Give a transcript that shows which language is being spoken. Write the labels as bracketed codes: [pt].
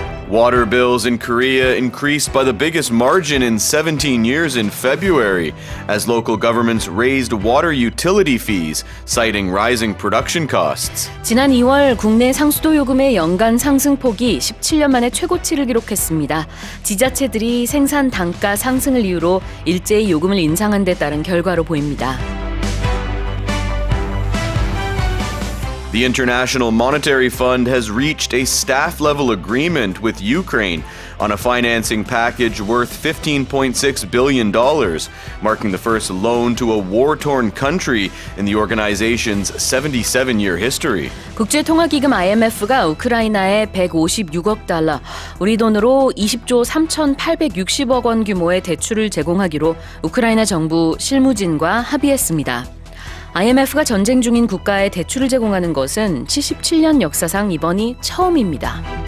[en] 'Water bills in Korea increased by the biggest margin in 17 years in February as local governments raised water utility fees, citing rising production costs.' [ko] 지난 2월 국내 상수도 요금의 연간 상승폭이 17년 만에 최고치를 기록했습니다. 지자체들이 생산 단가 상승을 이유로 일제히 요금을 인상한 데 따른 결과로 보입니다. [en] The International Monetary Fund has reached a staff-level agreement with Ukraine on a financing package worth $15.6 billion, marking the first loan to a war-torn country in the organization's 77-year history. [ko] 국제통화기금 IMF가 우크라이나에 156억 달러, 우리 돈으로 20조 3,860억 원 규모의 대출을 제공하기로 우크라이나 정부 실무진과 합의했습니다. IMF가 전쟁 중인 국가에 대출을 제공하는 것은 77년 역사상 이번이 처음입니다.